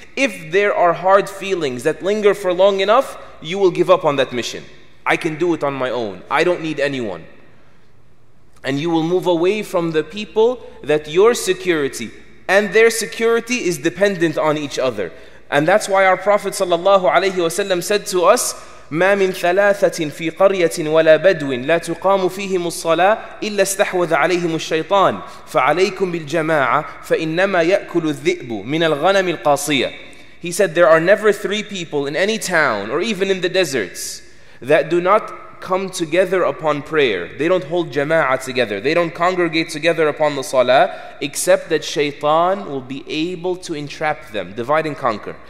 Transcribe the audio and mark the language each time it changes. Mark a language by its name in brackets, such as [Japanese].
[English] If there are hard feelings that linger for long enough, you will give up on that mission. I can do it on my own. I don't need anyone. And you will move away from the people that your security and their security is dependent on each other. And that's why our Prophet sallallahu alayhi wa sallam said to us, [Arabic] مَا مِنْ ثَلَاثَةٍ فِي قَرْيَةٍ وَلَا بَدْوٍ لَا تُقَامُ فِيهِمُ الصَّلَاةِ إِلَّا اسْتَحْوَذَ عَلَيْهِمُ الشَّيْطَانِ فَعَلَيْكُمْ بِالْجَمَاعَةِ فَإِنَّمَا يَأْكُلُ الذِّئْبُ مِنَ الْغَنَمِ الْقَاصِيَةِ. [English] He said, there are never three people in any town or even in the deserts that do not come together upon prayer. They don't hold jama'ah together. They don't congregate together upon the salah, except that shaitan will be able to entrap them. Divide and conquer.